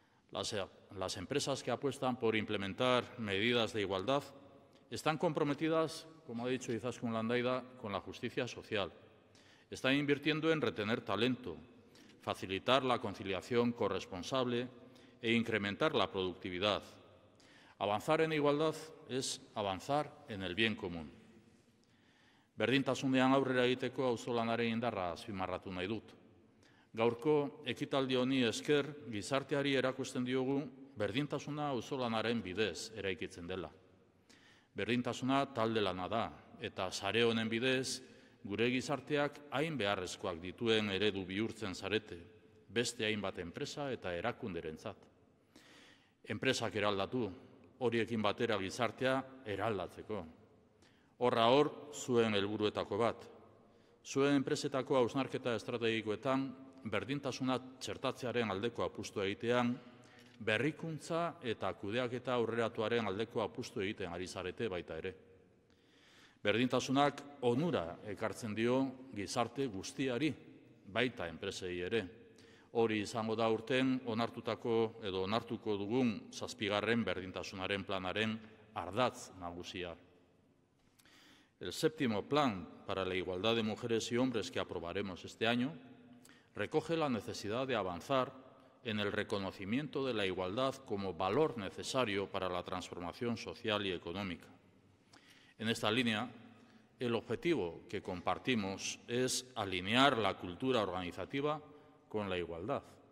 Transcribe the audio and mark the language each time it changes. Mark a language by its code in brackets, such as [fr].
[es] Las empresas que apuestan por implementar medidas de igualdad están comprometidas, como ha dicho Izaskun Landaida, con la justicia social. Están invirtiendo en retener talento, facilitar la conciliación corresponsable e incrementar la productividad. Avanzar en igualdad es avanzar en el bien común. [eu] Berdintasunean aurrera egiteko auzolanaren indarra azpimarratu nahi dut. Gaurko ekitaldi honi esker gizarteari erakusten diogu berdintasuna auzolanaren bidez eraikitzen dela. Berdintasuna talde lana da eta sare honen bidez gure gizarteak hain beharrezkoak dituen eredu bihurtzen zarete, beste hainbat enpresa eta erakunderentzat. Enpresak eraldatu, horiekin batera gizartea eraldatzeko. Horra hor, zuen helburuetako bat. Zuen enpresetako hausnarketa estrategikoetan, berdintasuna txertatzearen aldeko apustu egitean, berrikuntza eta kudeaketa aurreratuaren aldeko apustu egiten ari zarete baita ere. Berdintasunak onura ekartzen dio gizarte guztiari, baita enpresei ere. Hori izango da urten onartutako edo onartuko dugun 7. berdintasunaren planaren ardatz nagusia. [es] El 7º plan para la igualdad de mujeres y hombres que aprobaremos este año recoge la necesidad de avanzar en el reconocimiento de la igualdad como valor necesario para la transformación social y económica. En esta línea, el objetivo que compartimos es alinear la cultura organizativa con la igualdad.